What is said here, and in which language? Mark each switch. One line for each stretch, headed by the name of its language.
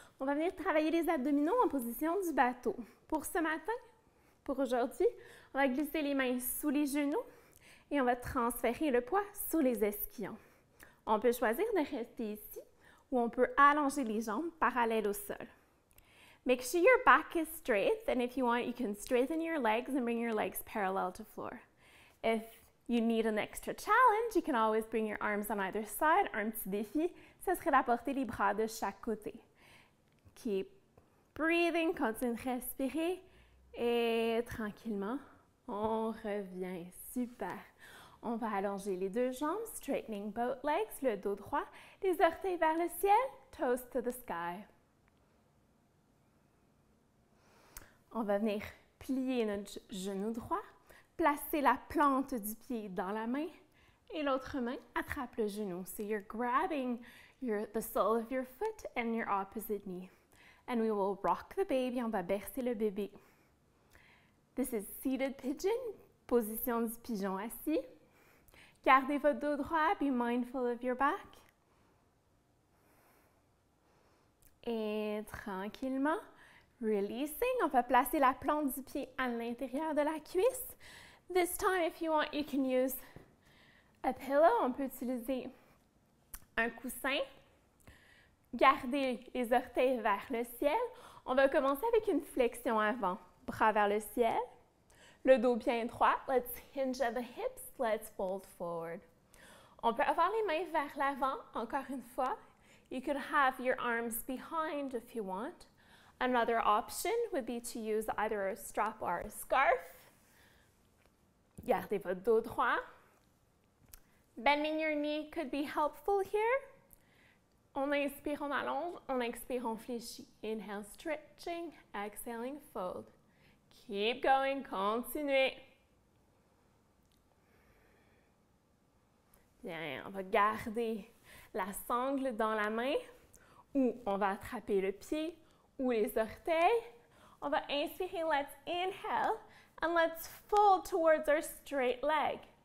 French: On va venir travailler les abdominaux en position du bateau. Pour ce matin, pour aujourd'hui, on va glisser les mains sous les genoux et on va transférer le poids sur les esquillons. On peut choisir de rester ici ou on peut allonger les jambes parallèles au sol.
English: Make sure your back is straight and if you want, you can straighten your legs and bring your legs parallel to floor. If you need an extra challenge, you can always bring your arms on either side.
French: Un petit défi, ce serait d'apporter les bras de chaque côté.
English: Keep breathing,
French: continue de respirer et tranquillement. On revient. Super. On va allonger les deux jambes,
English: straightening both legs,
French: le dos droit, les orteils vers le ciel,
English: toes to the sky.
French: On va venir plier notre genou droit, placer la plante du pied dans la main et l'autre main attrape le genou.
English: So you're grabbing the sole of your foot and your opposite knee. And we will rock the baby,
French: on va bercer le bébé.
English: This is seated pigeon,
French: position du pigeon assis. Gardez votre dos droit,
English: be mindful of your back.
French: Et tranquillement, releasing, on va placer la plante du pied à l'intérieur de la cuisse.
English: This time, if you want, you can use a pillow,
French: on peut utiliser un coussin. Gardez les orteils vers le ciel. On va commencer avec une flexion avant, bras vers le ciel. Le dos bien droit,
English: let's hinge at the hips, let's fold forward.
French: On peut avoir les mains vers l'avant, encore une fois.
English: You could have your arms behind if you want. Another option would be to use either a strap or a scarf.
French: Gardez votre dos droit.
English: Bending your knee could be helpful here.
French: On inspire, on allonge, on expire, on fléchit.
English: Inhale, stretching, exhaling, fold. Keep going,
French: continuez. Bien, on va garder la sangle dans la main ou on va attraper le pied ou les orteils. On va inspirer,
English: let's inhale and let's fold towards our straight leg.